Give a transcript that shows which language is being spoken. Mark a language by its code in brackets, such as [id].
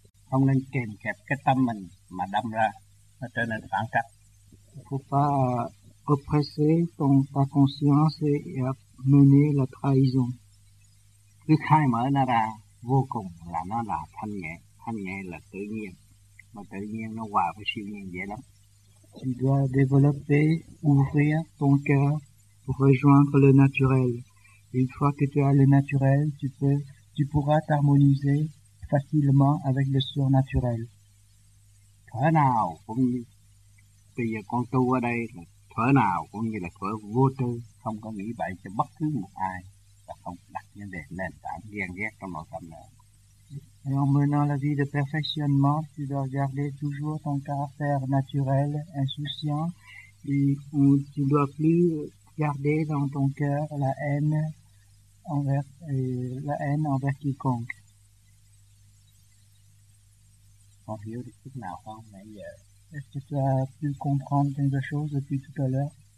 [vi] Không nên kèm kẹp cái tâm mình mà đâm ra nó trở nên phản cách. [fr] Faut pas oppresser ta conscience et mener la trahison. [vi] Cứ khai mở nó ra vô cùng là nó là thanh nhẹ. Thanh nhẹ là tự nhiên. Mà tự nhiên nó hòa với siêu nhiên dễ lắm. [fr] Tu dois développer, ouvrir ton cœur pour rejoindre le naturel. Une fois que tu as le naturel, tu pourras t'harmoniser facilement avec le surnaturel. [vi] Thở nào cũng như, bây giờ con tu ở đây là thở nào cũng như là thở vô tư, không có nghĩ bậy cho bất cứ một ai và không đặt vấn đề nền tảng ghen ghét trong nội tâm nữa. [fr] Et en menant la vie de perfectionnement, tu dois garder toujours ton caractère naturel, insouciant, et où tu ne dois plus garder dans ton cœur la haine envers quiconque. [vi] Con hiểu được chút nào không nãy giờ? [fr] Est-ce que tu as pu comprendre quelque chose depuis tout à l'heure?